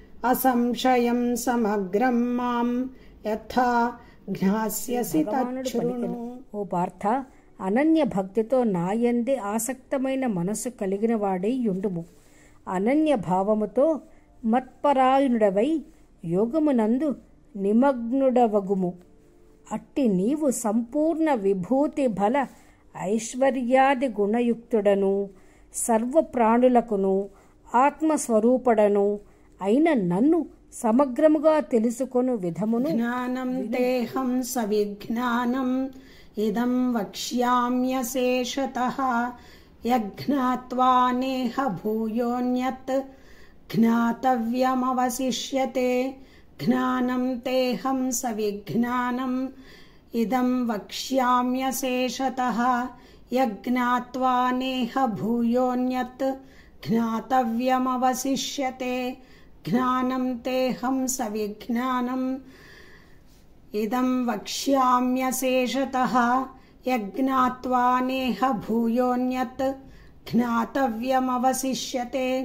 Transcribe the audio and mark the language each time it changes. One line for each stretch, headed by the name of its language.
Sanskrit: असंशयं समग्रं मां यथा ज्ञास्यसि
Telugu: భగవానుడు పలికెను,
Sanskrit: తచ్ఛృణు।
Telugu: ఓ పార్థ, అనన్య భక్తితో నాయందే ఆసక్తమైన మనసు కలిగిన వాడై యుండుము. అనన్య భావముతో మత్పరాయణుడవై యోగమునందు నిమగ్నుడవగుము. అట్టి నీవు సంపూర్ణ విభూతి బల ఐశ్వర్యాది గుణయుక్తుడను, సర్వప్రాణులకును ఆత్మస్వరూపుడను అయిన నన్ను సమగ్రముగా తెలుసుకొను విధమును
Sanskrit: జ్ఞానం దేహం సవిజ్ఞానం ఇదం వక్ష్యామ్యశేషతః యజ్ఞాత్వా నేహ భూయోన్యత్ జ్ఞాతవ్యమవశిష్యతే। జ్ఞానం దేహం సవిజ్ఞానం ఇదం వక్ష్యామ్యశేషతః యజ్ఞాత్వా నేహ భూయోన్యత్ జ్ఞాతవ్యమవశిష్యతే। ज्ञानं तेहं सविज्ञानं इदं वक्ष्याम्यशेषतः यज्ञात्वा नेह भूयोन्यत् ज्ञातव्यमवशिष्यते।